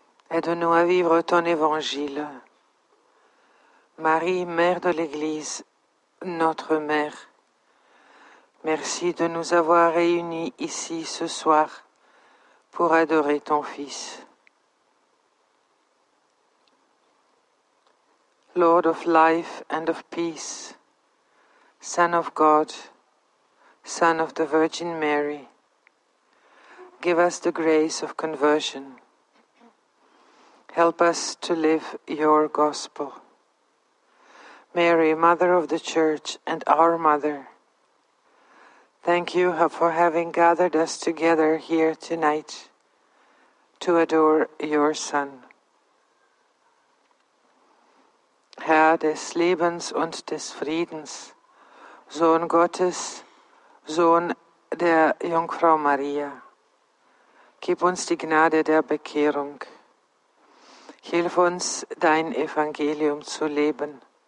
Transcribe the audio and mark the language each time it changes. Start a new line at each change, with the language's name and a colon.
French: Aide-nous à vivre ton évangile. Marie, Mère de l'Église, notre Mère, merci de nous avoir réunis ici ce soir pour adorer ton Fils.
English: Lord of life and of peace, Son of God, Son of the Virgin Mary, give us the grace of conversion. Help us to live your gospel. Mary, Mother of the Church and our Mother, thank you for having gathered us together here tonight to adore your Son.
German: Herr des Lebens und des Friedens, Sohn Gottes, Sohn der Jungfrau Maria, gib uns die Gnade der Bekehrung. Hilf uns, dein Evangelium zu leben.